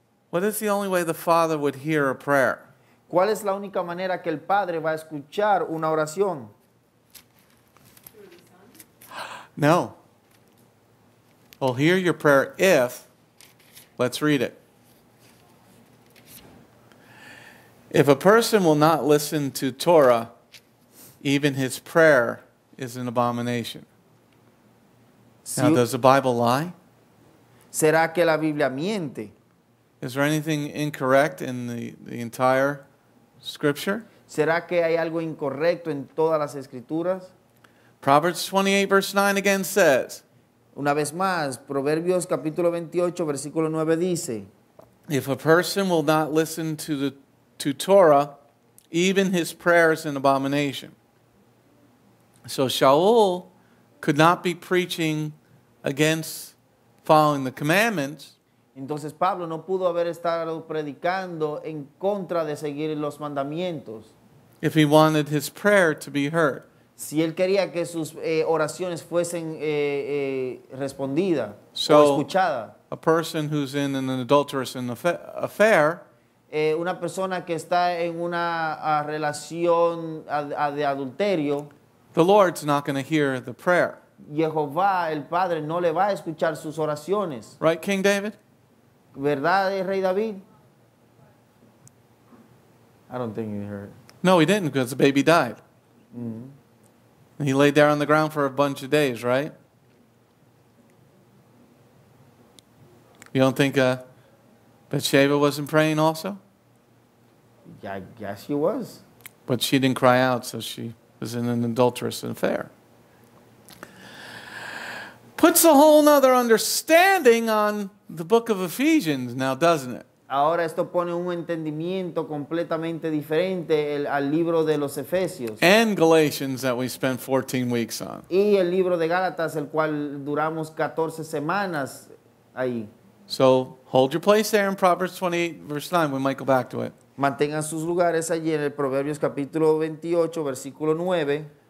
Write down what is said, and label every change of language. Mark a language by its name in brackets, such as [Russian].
[English] what is the only way the Father would hear a prayer? [Spanish] ¿Cuál es la única manera que el Padre va a escuchar una oración? [English] No. Well, hear your prayer if, let's read it. If a person will not listen to Torah, even his prayer is an abomination. Now, does the Bible lie? [Spanish] ¿Será que la Biblia miente? [English] Is there anything incorrect in the entire Scripture? [Spanish] ¿Será que hay algo incorrecto en todas las escrituras? [English] Proverbs 28, verse 9 again says, [Spanish] una vez más, Proverbios capítulo 28, versículo 9 dice, [English] if a person will not listen to the to Torah, even his prayer is an abomination. So Sha’ul could not be preaching against following the commandments. [Spanish] Entonces Pablo no pudo haber estado predicando en contra de seguir los mandamientos. [English] If he wanted his prayer to be heard. [Spanish] Si él quería que sus oraciones fuesen respondidas, [English] so, [Spanish] o escuchadas. [English] A person who's in an adulterous affair. [Spanish] Una persona que está en una relación de adulterio. [English] The Lord's not going to hear the prayer. [Spanish] Yehovah, el Padre, no le va a escuchar sus oraciones. [English] Right, King David? [Spanish] ¿Verdad, Rey David? [English] I don't think he heard. No, he didn't, because the baby died. Mm-hmm. And he laid there on the ground for a bunch of days, right? You don't think Bathsheba wasn't praying also? Yeah, I guess she was. But she didn't cry out, so she was in an adulterous affair. Puts a whole nother understanding on the book of Ephesians now, doesn't it? [Spanish] Ahora esto pone un entendimiento completamente diferente al libro de los Efesios. [English] And Galatians that we spent 14 weeks on. [Spanish] Y el libro de Gálatas, el cual duramos 14 semanas ahí. [English] So, hold your place there in Proverbs 28, verse 9. We might go back to it. [Spanish] Mantengan sus lugares allí en el Proverbios capítulo 28, versículo 9.